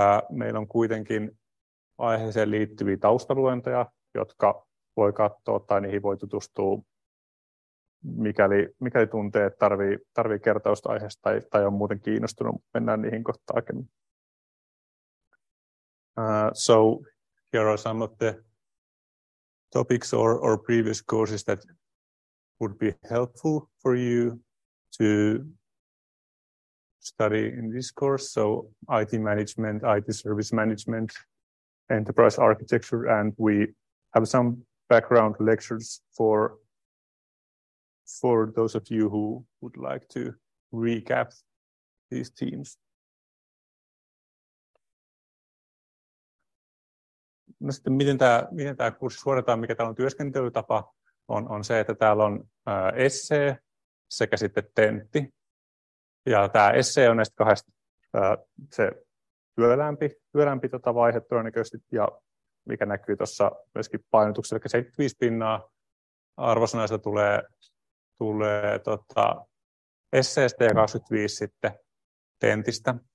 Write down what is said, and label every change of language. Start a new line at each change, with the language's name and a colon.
Finnish: Meillä on kuitenkin aiheeseen liittyviä taustaluentoja, jotka voi katsoa tai niihin voi tutustua, mikäli tuntee, että tarvii kertausta aiheesta tai on muuten kiinnostunut. Mennään niihin kohta aikemmin.
English: So here are some of the topics or previous courses that would be helpful for you to study in this course. So IT management, IT service management, enterprise architecture, and we have some background lectures for those of you who would like to recap these themes.
Finnish: No sitten miten tämä kurssi suoritetaan, mikä täällä on työskentelytapa, on se, että täällä on essee sekä sitten tentti. Ja tämä essee on näistä kahdesta se työlämpi vaihe todennäköisesti ja mikä näkyy tuossa myöskin painotuksella, eli 75% arvosanaista tulee esseestä ja 25% sitten tentistä.